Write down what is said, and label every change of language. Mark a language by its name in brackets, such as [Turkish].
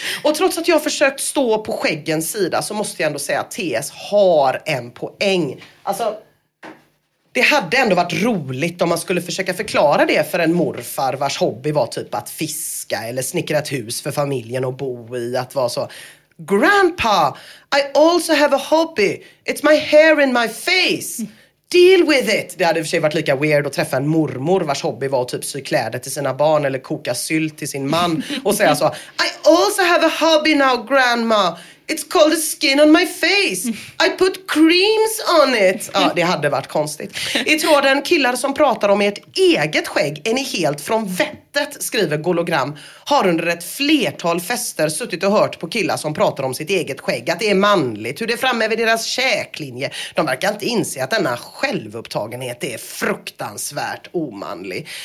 [Swedish] Och trots att jag har försökt stå på skäggens sida så måste jag ändå säga att TS har en poäng. Alltså det hade ändå varit roligt om man skulle försöka förklara det för en morfar vars hobby var typ att fiska eller snickra ett hus för familjen och bo i. Att vara så, [English] grandpa, I also have a hobby. It's my hair in my face. Deal with it. [Swedish] Det hade för sig varit lika weird att träffa en mormor vars hobby var att typ sy kläder till sina barn eller koka sylt till sin man och säga så, [English] I also have a hobby now, grandma. It's called the skin on my face. I put creams on it. [Swedish] Ja, det hade varit konstigt. I tråden, killar som pratar om ert eget skägg är ni helt från vettet, skriver Gologram. Har under ett flertal fester suttit och hört på killar som pratar om sitt eget skägg. Att det är manligt, hur det är framme vid deras käklinje. De verkar inte inse att denna självupptagenhet är fruktansvärt omanlig.